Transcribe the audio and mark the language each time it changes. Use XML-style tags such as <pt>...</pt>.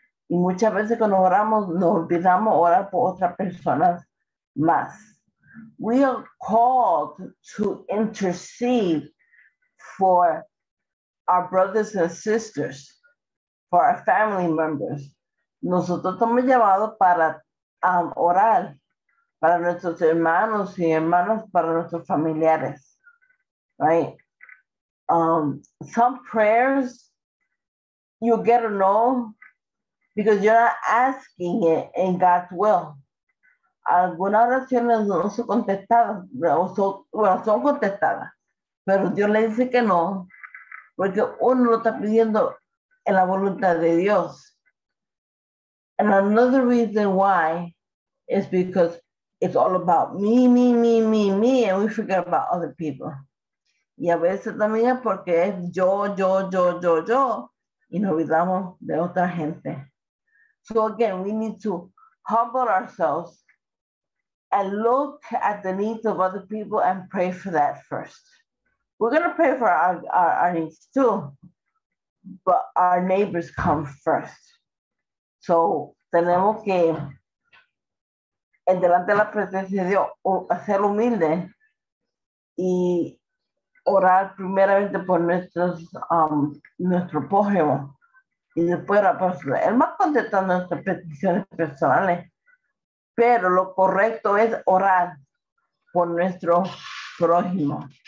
<es>Y muchas veces cuando oramos, nos olvidamos orar por otras personas más.</es> <en>We are called to intercede for our brothers and sisters, for our family members.</en> <es>Nosotros estamos llamados para orar para nuestros hermanos y hermanas, para nuestros familiares, right?</es> <en>Some prayers, you get a no because you're not asking it in God's will.</en> <es>Algunas oraciones no son contestadas, son contestadas, pero Dios le dice que no, porque uno lo está pidiendo en la voluntad de Dios.</es> <en>And another reason why is because it's all about me, and we forget about other people.</en> <es>Y a veces también es porque es yo, y nos olvidamos de otra gente.</es> <en>So again, we need to humble ourselves and look at the needs of other people and pray for that first. We're going to pray for our needs too, but our neighbors come first.</en> <es>So tenemos que, en delante de la presencia de Dios, ser humilde y orar primeramente por nuestro prójimo y después la persona. Él va contestando nuestras peticiones personales, pero lo correcto es orar por nuestro prójimo.</es>